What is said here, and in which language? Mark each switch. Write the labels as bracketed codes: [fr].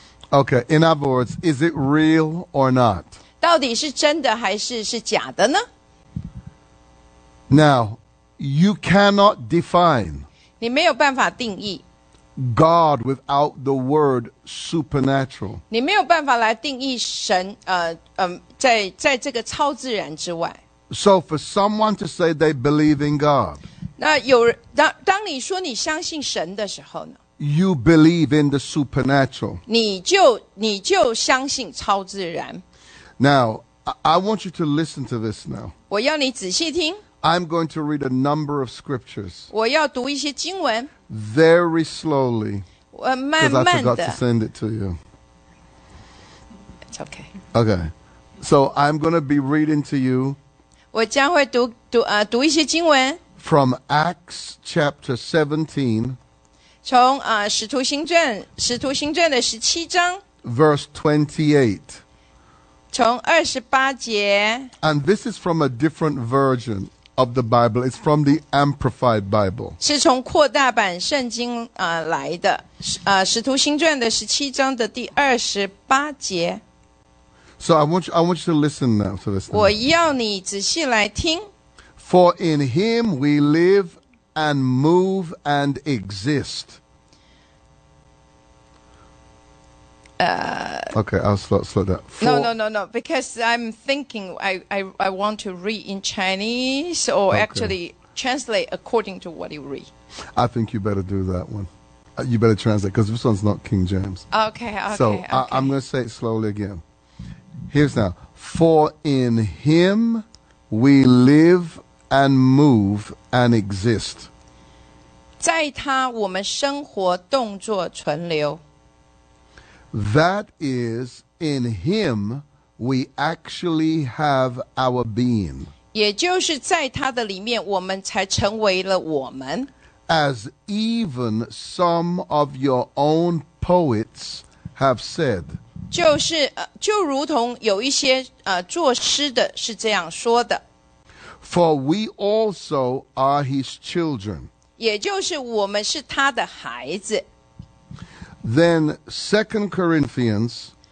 [en] Okay, in other words, is it real or not? [zh] 到底是真的还是假的呢? [en] Now, you cannot define. [zh] 你没有办法定义。 [en] God without the word supernatural. [zh] 你没有办法来定义神在这个超自然之外。 [en] So for someone to say they believe in God. [zh] 那有人当你说你相信神的时候呢? [en] You believe in the supernatural. [zh] 你就相信超自然。 [en] Now, I want you to listen to this now. [zh] 我要你仔细听。 [en] I'm going to read a number of scriptures. [zh] 我要读一些经文。 [en] Very slowly. [zh] 慢慢的。 [en] Because I forgot to send it to you. It's okay. Okay. So I'm going to be reading to you. [zh] 我将会读一些经文。 [en] From Acts chapter 17. [zh] 从使徒行传的十七章。 [en] Verse 28. [zh] 从二十八节 [en] And this is from a different version of the Bible. It's from the Amplified Bible. [zh] 是从扩大版圣经来的使徒行传的十七章的第二十八节 [en] So I want you to listen now to this. [zh] 我要你仔细来听 [en] For in him we live and move and exist. Okay, I'll slow that. No, because I'm thinking I want to read in Chinese or actually translate according to what you read. I think you better do that one. You better translate because this one's not King James. Okay. I'm going to say it slowly again. Here's now. For in him we live and move and exist. [zh] 在他我们生活动作存留。 [en] That is, in him, we actually have our being. [zh] 也就是在他的里面，我们才成为了我们。 [en] As even some of your own poets have said. [zh] 就如同有一些作诗的是这样说的。 [en] For we also are his children. [zh] 也就是我们是他的孩子。 [en] Then 2 Corinthians